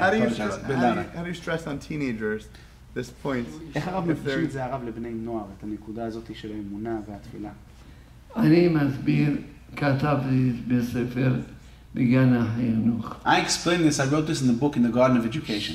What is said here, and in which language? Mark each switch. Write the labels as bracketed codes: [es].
[en] How do you stress on teenagers? This point. [he] איך הרב מפשיר את זה הרב לבני נוער, את הנקודה הזאת של האמונה והתפילה? אני מסביר, כתבתי בספר בגן החינוך. [en] I explained this, I wrote this in the book in the Garden of Education.